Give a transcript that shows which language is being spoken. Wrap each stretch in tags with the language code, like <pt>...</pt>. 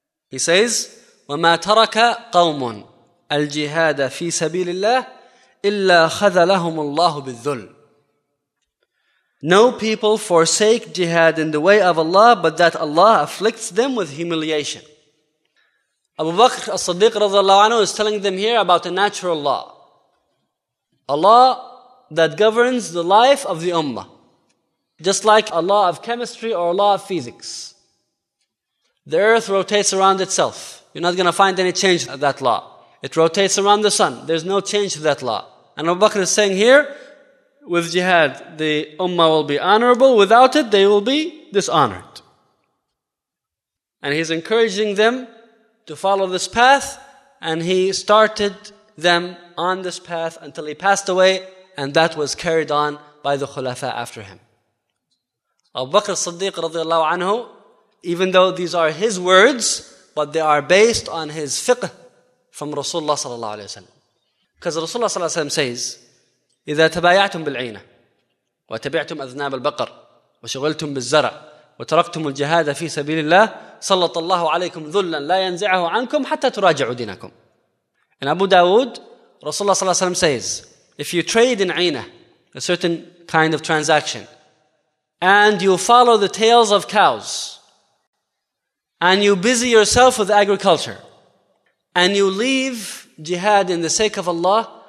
<en>He says,</en> <ar>وَمَا تَرَكَ قَوْمٌ الْجِهَادَ فِي سَبِيلِ اللَّهِ إِلَّا خَذَلَهُمُ اللَّهُ بِالذُّلِّ.</ar> <en>No people forsake jihad in the way of Allah, but that Allah afflicts them with humiliation. Abu Bakr as-Siddiq radiallahu anhu is telling them here about a natural law. A law that governs the life of the ummah. Just like a law of chemistry or a law of physics. The earth rotates around itself. You're not going to find any change to that law. It rotates around the sun. There's no change to that law. And Abu Bakr is saying here, with jihad, the ummah will be honorable. Without it, they will be dishonored. And he's encouraging them to follow this path. And he started them on this path until he passed away. And that was carried on by the khulafa after him. Abu Bakr as-Siddiq radiallahu anhu, even though these are his words, but they are based on his fiqh from Rasulullah sallallahu alayhi wa sallam. Because Rasulullah sallallahu alayhi wa sallam says,</en> <ar>إِذَا تَبَايَعْتُمْ بِالْعِينَ وَتَبِعْتُمْ أَذْنَابَ الْبَقَرِ وَشُغِلْتُمْ بِالزَّرَعِ وَتَرَكْتُمُ الْجِهَادَ فِي سَبِيلِ اللَّهِ سَلَّطَ اللَّهُ عَلَيْكُمْ ذُلًّا لَا يَنْزِعَهُ عَنْكُمْ حَتَّى تُرَاجِعُوا دِينَكُمْ.</ar> <en>In Abu Dawood, Rasulullah sallallahu alayhi wa sallam says, if you trade in عينة, a certain kind of transaction, and you follow the tails of cows, and you busy yourself with agriculture, and you leave jihad in the sake of Allah,</en>